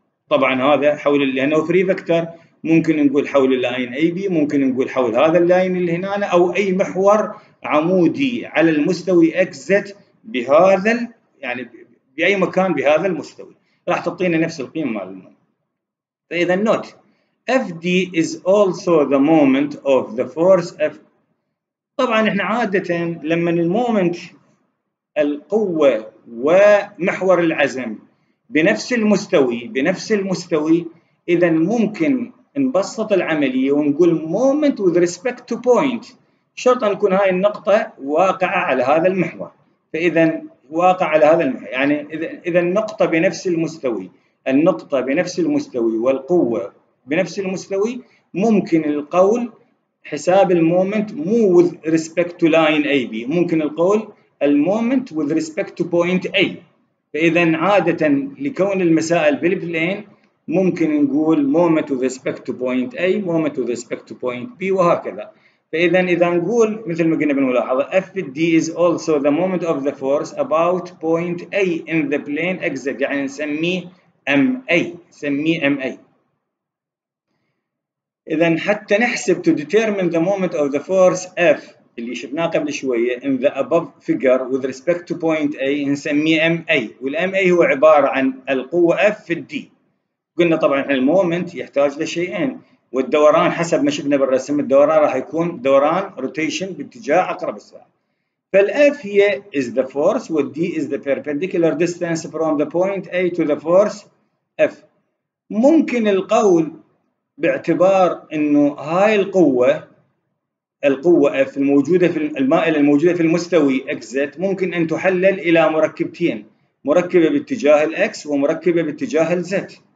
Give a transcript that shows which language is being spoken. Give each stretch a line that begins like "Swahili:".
Arabic: طبعا هذا حول اللي هنا free vector، ممكن نقول حول اللاين AB، ممكن نقول حول هذا اللاين اللي هنا أو أي محور عمودي على المستوي اكزت بهذا، يعني باي مكان بهذا المستوي راح تعطينا نفس القيمه مال المهم.
English: فاذا note FD is also the moment of the force F.
Arabic: طبعا احنا عادة لما المومنت القوة ومحور العزم بنفس المستوي بنفس المستوي، اذا ممكن نبسط العملية ونقول مومنت
English: with respect to point،
Arabic: شرط ان تكون هاي النقطة واقعة على هذا المحور. فاذا واقع على هذا المحور، يعني اذا النقطة بنفس المستوي، النقطة بنفس المستوي والقوة بنفس المستوي، ممكن القول حساب المومنت مو
English: with respect to line AB،
Arabic: ممكن القول المومنت
English: with respect to point A.
Arabic: فإذا عادة لكون المسائل بالبلين ممكن نقول مومنت
English: with respect to point A،
Arabic: مومنت with respect to point B وهكذا. فإذا إذا نقول مثل ما قلنا بالملاحظة
English: FD is also the moment of the force about point A in the plane exit،
Arabic: يعني نسميه MA، سميه MA. إذا حتى نحسب
English: to determine the moment of the force F
Arabic: اللي شفناه قبل شوية
English: in the above figure with respect to point A
Arabic: نسميه MA، والM A هو عبارة عن القوة F في D. قلنا طبعا المومنت يحتاج لشيئين، والدوران حسب ما شفنا بالرسم الدوران راح يكون دوران rotation باتجاه أقرب الساعة. فالF هي
English: is the force والD is the perpendicular distance from the point A to the force F.
Arabic: ممكن القول باعتبار انه هاي القوة F الموجودة في المائلة الموجودة في المستوي exit ممكن ان تحلل الى مركبتين، مركبة باتجاه X ومركبة باتجاه Z.